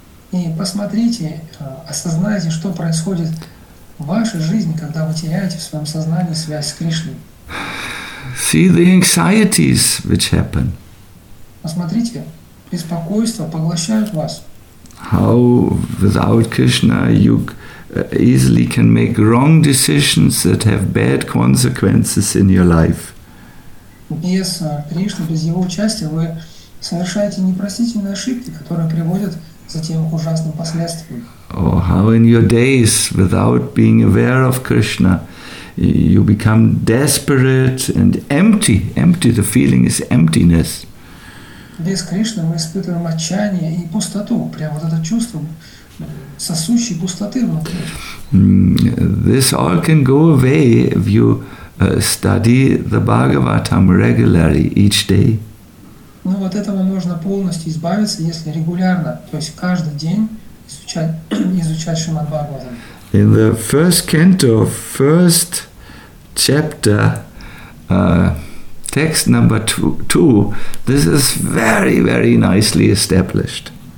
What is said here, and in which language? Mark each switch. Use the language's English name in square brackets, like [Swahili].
[Russian] И посмотрите, осознайте, что происходит в вашей жизни, когда вы теряете в своем сознании связь с Кришной. [English] See the anxieties which happen. [Russian] Посмотрите, беспокойство поглощает вас. [English] How without Krishna you easily can make wrong decisions that have bad consequences in your life. [Russian] Без Кришны, без его участия, вы совершаете непростительные ошибки, которые приводят затем к ужасным последствиям. [English] Oh, how in your days, without being aware of Krishna, you become desperate and empty. Empty, the feeling is emptiness. [Russian] Без Кришны мы испытываем отчаяние и пустоту. Прямо вот это чувство сосущей пустоты внутри. [English] This all can go away if you study the Bhagavatam regularly each day. [Russian] Ну вот этого можно полностью избавиться, если регулярно, то есть каждый день изучать Шримад Бхагаватам. [English] In the first canto, first chapter, text number two, this is very, very nicely established.